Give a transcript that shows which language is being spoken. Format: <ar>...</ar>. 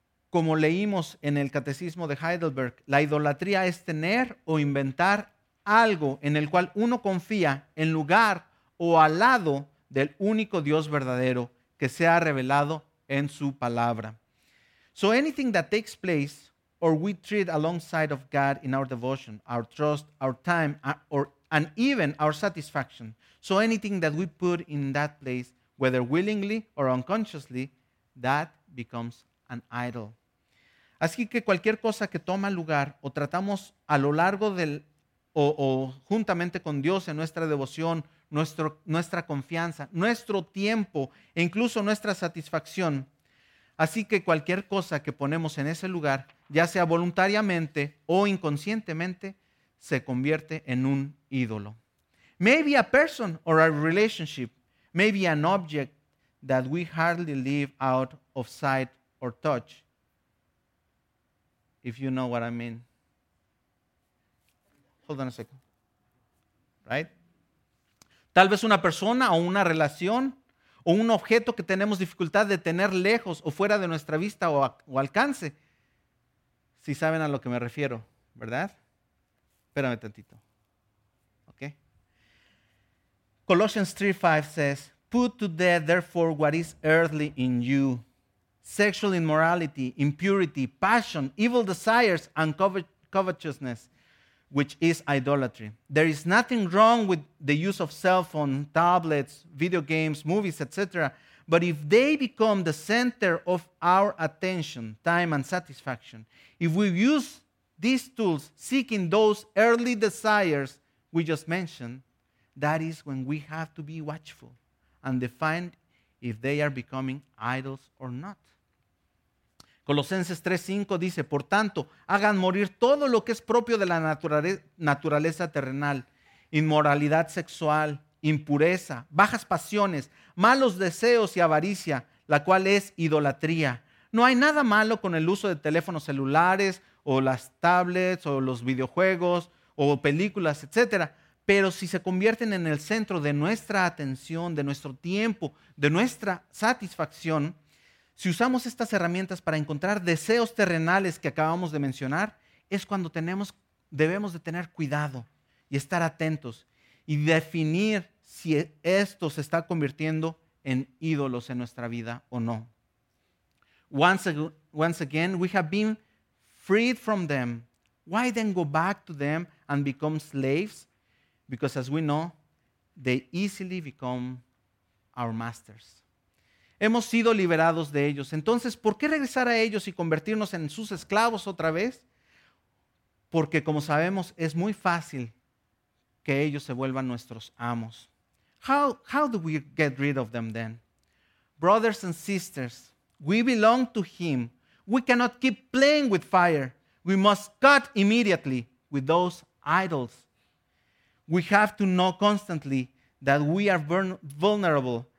<es>Como leímos en el Catecismo de Heidelberg, la idolatría es tener o inventar algo en el cual uno confía en lugar o al lado del único Dios verdadero que se ha revelado en su palabra.</es> <en>So anything that takes place or we treat alongside of God in our devotion, our trust, our time, and even our satisfaction. So anything that we put in that place, whether willingly or unconsciously, that becomes an idol.</en> <es>Así que cualquier cosa que toma lugar o tratamos a lo largo del o juntamente con Dios en nuestra devoción, nuestra confianza, nuestro tiempo e incluso nuestra satisfacción. Así que cualquier cosa que ponemos en ese lugar, ya sea voluntariamente o inconscientemente, se convierte en un ídolo.</es> <en>Maybe a person or a relationship, maybe an object that we hardly leave out of sight or touch. If you know what I mean. Hold on a second. Right?</en> <es>Tal vez una persona o una relación o un objeto que tenemos dificultad de tener lejos o fuera de nuestra vista o alcance. Si saben a lo que me refiero, ¿verdad? Espérame tantito. Okay.</es> <en>Colossians 3:5 says, "Put to death therefore what is earthly in you: sexual immorality, impurity, passion, evil desires, and covetousness, which is idolatry. There is nothing wrong with the use of cell phone, tablets, video games, movies, etc. But if they become the center of our attention, time, and satisfaction, if we use these tools seeking those earthly desires we just mentioned, that is when we have to be watchful and define if they are becoming idols or not."</en> <es>Colosenses 3:5 dice, "Por tanto, hagan morir todo lo que es propio de la naturaleza terrenal, inmoralidad sexual, impureza, bajas pasiones, malos deseos y avaricia, la cual es idolatría. No hay nada malo con el uso de teléfonos celulares o las tablets o los videojuegos o películas, etcétera. Pero si se convierten en el centro de nuestra atención, de nuestro tiempo, de nuestra satisfacción, si usamos estas herramientas para encontrar deseos terrenales que acabamos de mencionar, es cuando debemos de tener cuidado y estar atentos y definir si esto se está convirtiendo en ídolos en nuestra vida o no.</es> <en>Once again, we have been freed from them. Why then go back to them and become slaves? Because as we know, they easily become our masters."</en> <es>Hemos sido liberados de ellos. Entonces, ¿por qué regresar a ellos y convertirnos en sus esclavos otra vez? Porque, como sabemos, es muy fácil que ellos se vuelvan nuestros amos.</es> <en>How do we get rid of them then? Brothers and sisters, we belong to Him. We cannot keep playing with fire. We must cut immediately with those idols. We have to know constantly that we are vulnerable.</en>